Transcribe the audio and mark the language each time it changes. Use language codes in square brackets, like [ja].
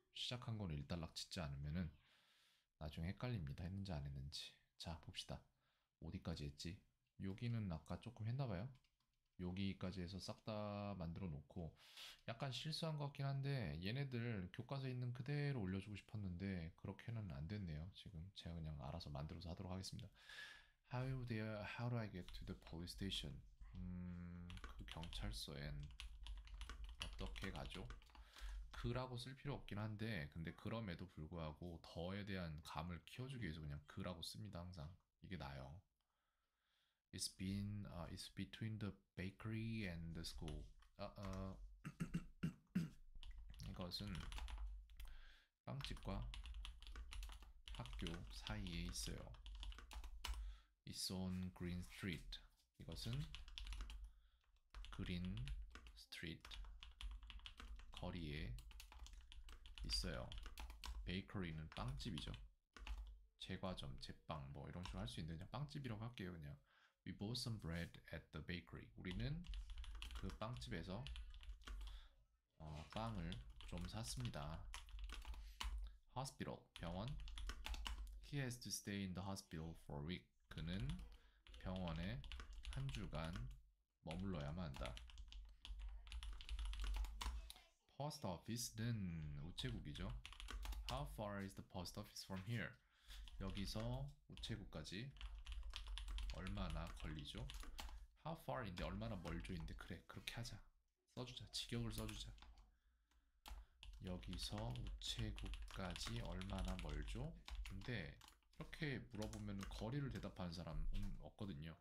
[ko] 시작한 걸 일단락 짓지 않으면은 나중에 헷갈립니다. 했는지 안 했는지. 자, 봅시다. 어디까지 했지? 여기는 아까 조금 했나봐요. 여기까지 해서 싹 다 만들어 놓고 약간 실수한 것 같긴 한데 얘네들 교과서에 있는 그대로 올려주고 싶었는데 그렇게는 안 됐네요. 지금 제가 그냥 알아서 만들어서 하도록 하겠습니다. [en] How do I get to the police station? [ko] 그 경찰서엔 어떻게 가죠? 그라고 쓸 필요 없긴 한데 근데 그럼에도 불구하고 더에 대한 감을 키워주기 위해서 그냥 그라고 씁니다. [en] 항상 이게 나아요. It's between the bakery and the school. [ko] 이것은 빵집과 학교 사이에 있어요. [en] It's on Green Street. 이것은 Green Street 거리에 있어요. [ko] Bakery는 빵집이죠. 제과점, 제빵 뭐 이런 식으로 할 수 있는데 그냥 빵집이라고 할게요. [en] 그냥 We bought some bread at the bakery. [ko] 우리는 그 빵집에서 빵을 좀 샀습니다. Hospital, 병원. [en] He has to stay in the hospital for a week. [ko] 그는 병원에 한 주간 머물러야만 한다. Post office는 우체국이죠. [en] How far is the post office from here? [ko] 여기서 우체국까지 얼마나 걸리죠? How far인데 얼마나 멀죠인데 그래 그렇게 하자. 써주자. 직역을 써주자. 여기서 우체국까지 얼마나 멀죠? 근데 이렇게 물어보면 거리를 대답하는 사람 없거든요.